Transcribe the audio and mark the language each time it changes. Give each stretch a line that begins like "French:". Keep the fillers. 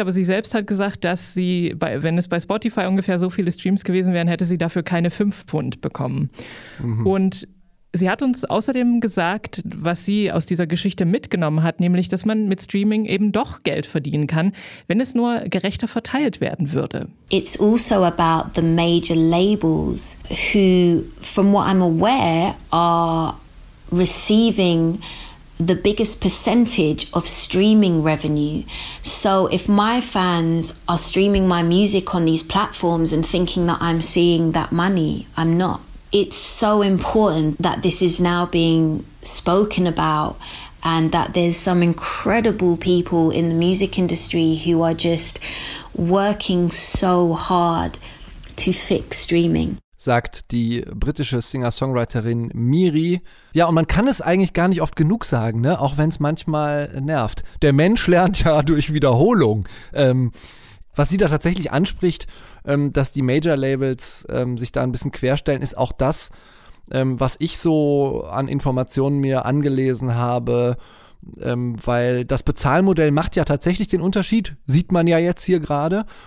German: Aber sie selbst hat gesagt, dass sie, bei, wenn es bei Spotify ungefähr so viele Streams gewesen wären, hätte sie dafür keine 5 Pfund bekommen. Mhm. Und Sie hat uns außerdem gesagt, was sie aus dieser Geschichte mitgenommen hat, nämlich, dass man mit Streaming eben doch Geld verdienen kann, wenn es nur gerechter verteilt werden würde.
English: It's also about the major labels who, from what I'm aware, are receiving percentage of streaming revenue. So if my fans are streaming my music on these platforms and thinking that I'm seeing that money, I'm not it's so important that this is now being spoken about and that there's some incredible people in the music industry who are just working so hard to fix
German: streaming. Sagt die britische Singer-Songwriterin Miri. Ja, und man kann es eigentlich gar nicht oft genug sagen, ne? auch wenn es manchmal nervt. Der Mensch lernt ja durch Wiederholung. Ähm, was sie da tatsächlich anspricht, dass die Major-Labels ähm, sich da ein bisschen querstellen, ist auch das, ähm, was ich so an Informationen mir angelesen habe, ähm, weil das Bezahlmodell macht ja tatsächlich den Unterschied, sieht man ja jetzt hier gerade.